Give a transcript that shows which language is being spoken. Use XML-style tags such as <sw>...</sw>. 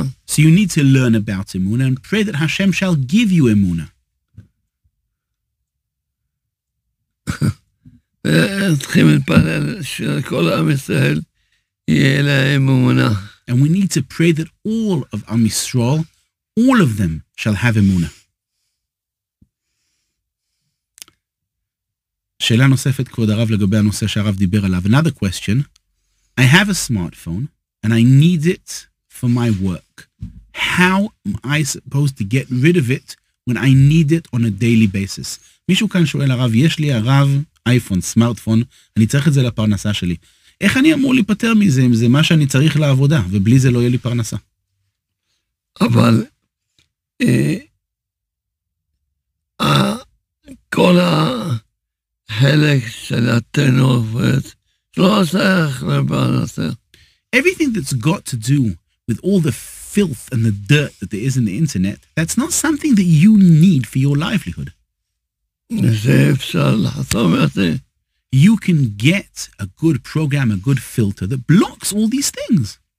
<en>So you need to learn about Emunah and pray that Hashem shall give you Emunah. And we need to pray that all of Am Yisrael, all of them, shall have Emuna.</en> <he>שאלה נוספת כבוד הרב לגבי הנושא שהרב דיבר עליו.</he> <en>Another question. I have a smartphone and I need it for my work. How am I supposed to get rid of it when I need it on a daily basis?</en> <he>מישהו כאן שואל הרב, יש לי הרב אייפון, סמארטפון, אני צריך את זה לפרנסה שלי. איך אני אמור להיפטר מזה, אם זה מה שאני צריך לעבודה, ובלי זה לא יהיה לי פרנסה? אבל, כל החלק של הטנופת, לא צריך לפרנסה.</he> <en>Everything that's got to do with all the filth and the dirt that there is in the internet, that's not something that you need for your livelihood.</en> <he>זה אפשר לעשות את זה.</he> <en>You can get a good program, a good filter that blocks all these things.</en>